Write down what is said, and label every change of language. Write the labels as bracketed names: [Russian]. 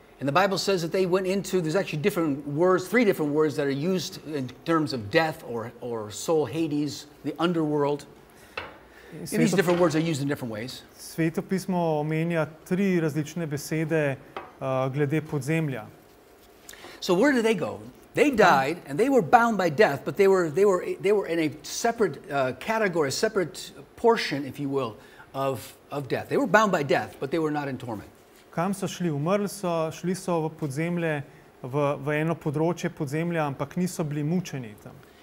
[English] And the Bible says that they went into, there's actually different words, three different words that are used in terms of death or soul, Hades, the underworld. And these different words are used in different ways. [Slovenian] Sveto pismo omenja tri različne besede glede podzemlja. [English] So where did they go? They died and they were bound by death, but they were in a separate category, a separate portion, if you will, of death. They were bound by death, but they were not in torment. [Slovenian] Kam so šli? Umrli so, šli so v podzemlje, v eno področje podzemlja, ampak niso bili mučeni tam.